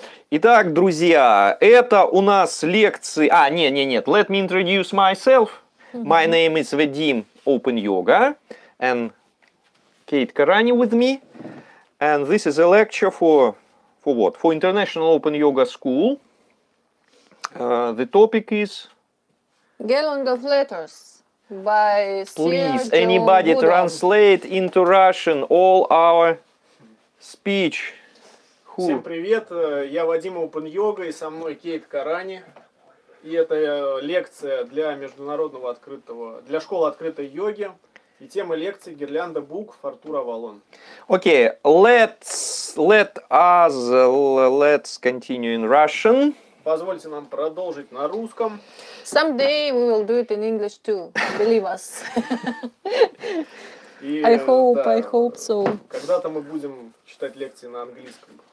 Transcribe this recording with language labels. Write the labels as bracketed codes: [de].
[ru] Итак, друзья, это у нас лекции... А, нет. [en] Let me introduce myself. My name is Vadim Open Yoga. And Kate Karani with me. And this is a lecture for what? For International Open Yoga School. The topic is... Gelong of Letters by C.R. Please, anybody translate into Russian all our speech. [ru] Всем привет, я Вадим Open Yoga, и со мной Кейт Карани. И это лекция для международного открытого, для школы открытой йоги. И тема лекции — гирлянда букв Артура Валон. [en] Окей, let's continue in Russian. [ru] Позвольте нам продолжить на русском. [en] Someday we will do it in English too, believe us. I hope so. [ru] Когда-то мы будем читать лекции на английском.